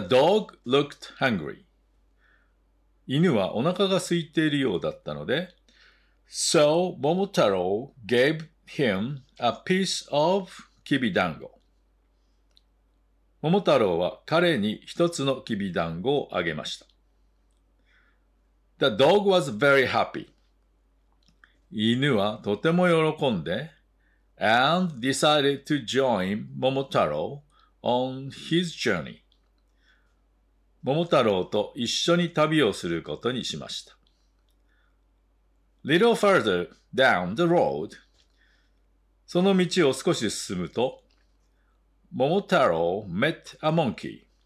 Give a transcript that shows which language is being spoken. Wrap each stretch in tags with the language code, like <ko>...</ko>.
<en>The dog looked hungry.</en> <ja>犬はお腹が空いているようだったので、</ja> <en>So Momotaro gave him a piece of kibidango.</en> <ja>桃太郎は彼に一つのきびだんごをあげました。</ja> <en>The dog was very happy.</en> <ja>犬はとても喜んで、</ja> <en>and decided to join Momotaro on his journey.</en> <ja>桃太郎と一緒に旅をすることにしました。</ja> <en>Little further down the road,</en> <ja>その道を少し進むと、</ja> <en>桃太郎 met a monkey.</en>